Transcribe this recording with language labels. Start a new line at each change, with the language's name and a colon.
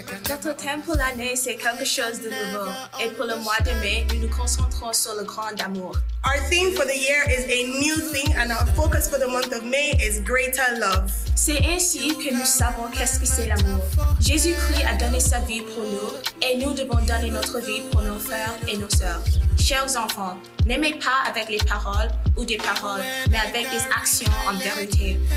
French: Notre tempo l'année, c'est quelque chose de nouveau. Et pour le mois de mai, nous nous concentrons sur le grand amour.
English: Our theme for the year is a new thing, and our focus for the month of May is greater love.
French: C'est ainsi que nous savons qu'est-ce que c'est l'amour. Jésus-Christ a donné sa vie pour nous, et nous devons donner notre vie pour nos frères et nos sœurs. Chers enfants, n'aimez pas avec les paroles ou des paroles, mais avec des actions en vérité.